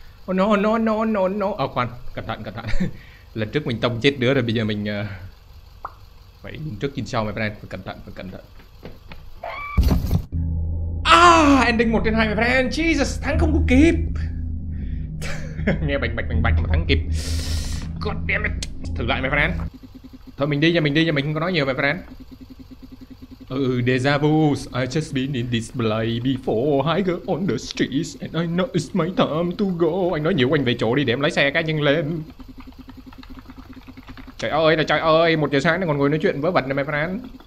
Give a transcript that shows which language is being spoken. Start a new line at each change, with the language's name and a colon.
English: Oh no, no, no, no, no.
Vietnamese: Oh, khoan, cẩn thận, cẩn thận. Lần trước mình tông chết đứa rồi, bây giờ mình phải nhìn trước nhìn sau,
English: my friend.
Vietnamese: Phải cẩn thận, phải cẩn thận.
English: Ah, ending 1/2, my friend.
Vietnamese: Jesus, thắng không có kịp. Nghe bạch bạch bạch bạch mà thắng kịp.
English: God damn it.
Vietnamese: Thử lại,
English: my friend.
Vietnamese: Thôi mình đi nha, mình đi nha, mình không có nói nhiều,
English: my friend. Deja vu, I just been in this place before. Hai girl on the streets and I know it's my time to go.
Vietnamese: Anh nói nhiều quanh về chỗ đi để em lái xe cá nhân lên. Trời ơi là trời ơi, 1 giờ sáng này còn ngồi nói chuyện vớ vẩn này,
English: my friend.